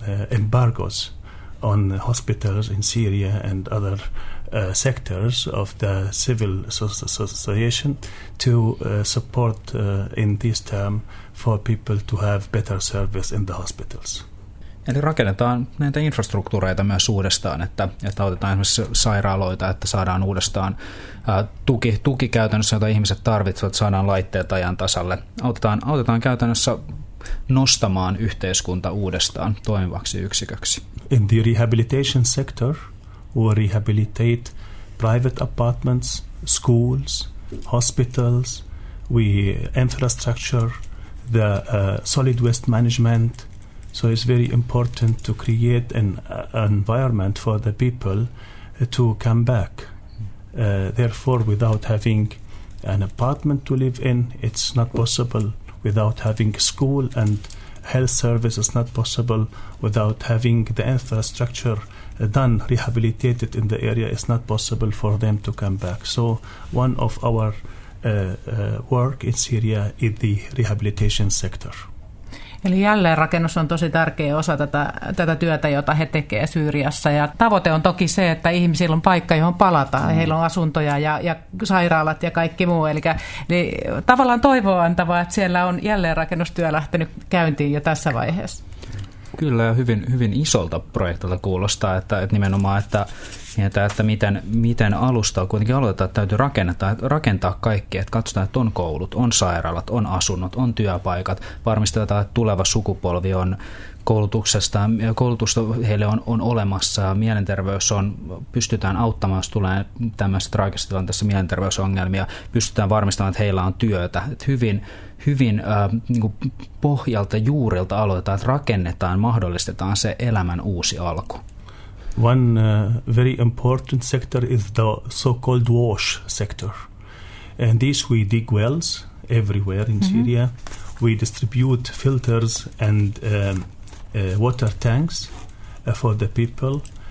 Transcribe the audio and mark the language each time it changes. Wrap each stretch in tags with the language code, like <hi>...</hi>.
<en>embargoes on hospitals in Syria and other sectors of the civil society to support in this term for people to have better service in the hospitals.</en> <fi>Eli rakennetaan näitä infrastruktuureita myös uudestaan, että otetaan esimerkiksi sairaaloita, että saadaan uudestaan tuki käytännössä, jota ihmiset tarvitsevat, saadaan laitteet ajan tasalle. Autetaan käytännössä nostamaan yhteiskunta uudestaan toimivaksi yksiköksi.</fi> <en>In the rehabilitation sector, we rehabilitate private apartments, schools, hospitals, we infrastructure, the solid waste management. So it's very important to create an environment for the people to come back. Therefore, without having an apartment to live in, it's not possible. Without having school and health service, it's not possible. Without having the infrastructure done, rehabilitated in the area, it's not possible for them to come back. So one of our work in Syria is the rehabilitation sector.</en> <fi>Eli jälleenrakennus on tosi tärkeä osa tätä työtä, jota he tekevät Syyriassa. Ja tavoite on toki se, että ihmisillä on paikka, johon palata. Mm. Heillä on asuntoja ja sairaalat ja kaikki muu. Eli tavallaan toivoa antavaa, että siellä on jälleenrakennustyö lähtenyt käyntiin jo tässä vaiheessa. Kyllä, hyvin, hyvin isolta projektilta kuulostaa, että nimenomaan, että miten alusta on kuitenkin aloitetaan, että täytyy rakentaa kaikki, että katsotaan, että on koulut, on sairaalat, on asunnot, on työpaikat, varmistetaan, että tuleva sukupolvi on koulutuksesta, koulutusta heille on olemassa ja mielenterveys on, pystytään auttamaan, jos tulee tämmöisessä traagisessa tilanteessa mielenterveysongelmia, pystytään varmistamaan, että heillä on työtä, että hyvin niin kuin pohjalta juurilta aloitetaan, että rakennetaan, mahdollistetaan se elämän uusi alku.</fi> <en>One very important sector is the so-called wash sector. And this we dig wells everywhere in Syria. We distribute filters and water tanks for the people.</en>